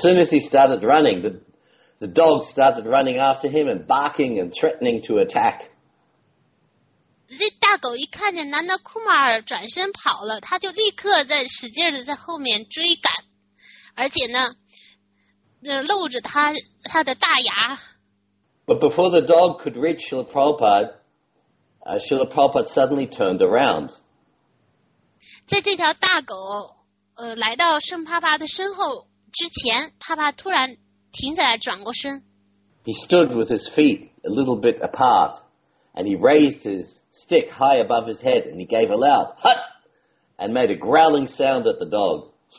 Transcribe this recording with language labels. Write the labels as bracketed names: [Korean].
[English] soon as he started running, the dog started running after him and barking and threatening to attack. [Chinese] 这大狗一看见南达库马尔转身跑了，他就立刻在使劲的在后面追赶。而且呢，露着他的大牙。 [English] But before the dog could reach Srila Prabhupada, Srila Prabhupada suddenly turned around. [Chinese] 在这条大狗来到圣帕帕的身后之前，帕帕突然停下来，转过身。 [English] He stood with his feet a little bit apart, and he raised his stick high above his head, and he gave a loud "hut" and made a growling sound at the dog.